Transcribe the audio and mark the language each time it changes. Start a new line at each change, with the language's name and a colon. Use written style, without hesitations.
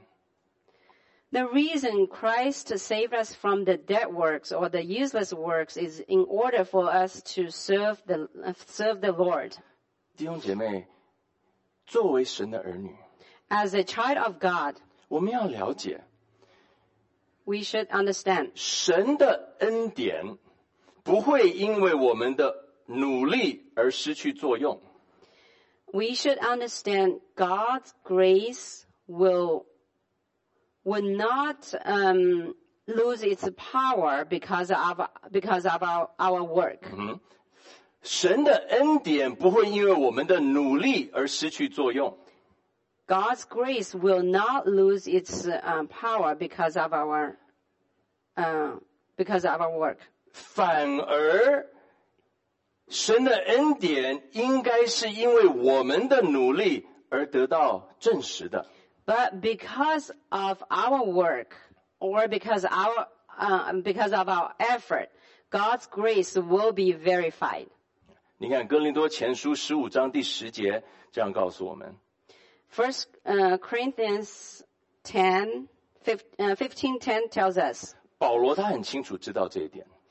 English: reason Christ saved us from the dead works or the useless works is in order for us to serve the Lord.
Chinese: 弟兄姐妹，作为神的儿女，
English: As a child of God,
Chinese: 我们要了解，
English: We should understand
Chinese: 神的恩典不会因为我们的努力而失去作用。
English: We should understand God's grace will not lose its power because of our work.
Chinese: 神的恩典不会因为我们的努力而失去作用。
English: God's grace will not lose its power because of our work.
Chinese: 反而, 神的恩典应该是因为我们的努力而得到证实的。
English: But because of our work, or because of our effort, God's grace will be verified.
Chinese: 你看哥林多前书15章第10节这样告诉我们。
English: First Corinthians 15:10 tells us.
Chinese: 保罗他很清楚知道这一点。